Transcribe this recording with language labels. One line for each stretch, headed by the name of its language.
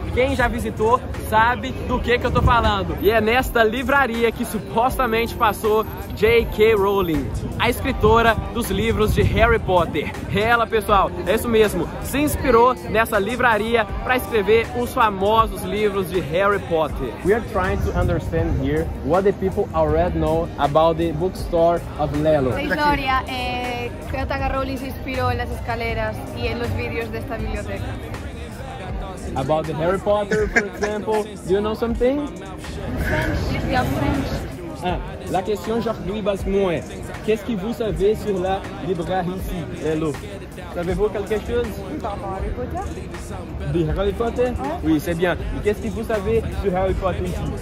Portuguese: Quem já visitou sabe do que eu tô falando. E é nesta livraria que supostamente passou J.K. Rowling, a escritora dos livros de Harry Potter. Ela, pessoal, é isso mesmo. Se inspirou nessa livraria para escrever os famosos livros de Harry Potter.
English: We are trying to understand here what the people already know about the bookstore of Lelo.
Portuguese: A história é que J.K. Rowling se inspirou nas escaleras e nos vídeos desta biblioteca.
English: About the Harry Potter, for example, do you know something? French.
French: Ah, la question aujourd'hui, basiquement, est qu'est-ce que vous savez sur la librairie ici, Lelo? Savez-vous quelque chose? Harry Potter. De Harry Potter? Ah. Oui, c'est bien. Et qu'est-ce que vous savez sur Harry Potter ici?